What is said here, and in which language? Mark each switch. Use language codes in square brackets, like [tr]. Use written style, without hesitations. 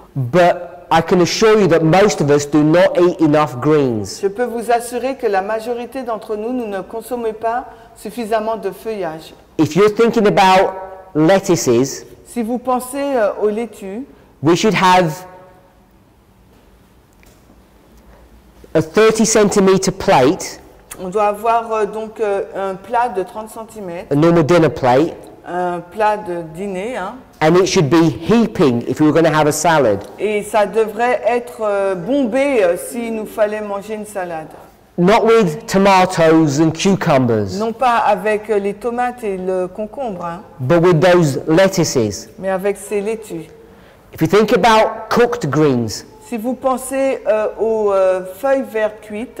[en] But I can assure you that most of us do not eat enough greens. [fr] Je peux vous assurer que la majorité d'entre nous ne consommons pas suffisamment de feuillage. [en] If you're thinking about lettuces. [fr] Si vous pensez aux laitues. [en] We should have a 30 centimeter plate. [fr] On doit avoir donc un plat de 30 cm. [en] A normal dinner plate. [fr] Un plat de dîner. Hein. [en] And it should be heaping if we were going to have a salad. [fr] Et ça devrait être bombé si nous fallait manger une salade. [en] Not with tomatoes and cucumbers. [fr] Non pas avec les tomates et le concombre. Hein. [en] But with those lettuces. [fr] Mais avec ces laitues. [en] If you think about cooked greens. [fr] Si vous pensez aux feuilles vertes cuites,